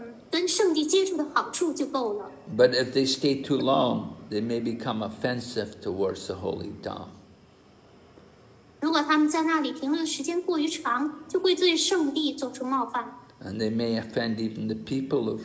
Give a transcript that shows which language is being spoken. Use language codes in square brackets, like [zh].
[zh] 他们在文丹文停留的时间呢，足以让他们得到圣地的，跟圣地接触的好处就够了。 [en] But if they stay too long, they may become offensive towards the Holy Dham. [zh] 如果他们在那里停留的时间过于长，就会对圣地做出冒犯。 [en] And they may offend even the people of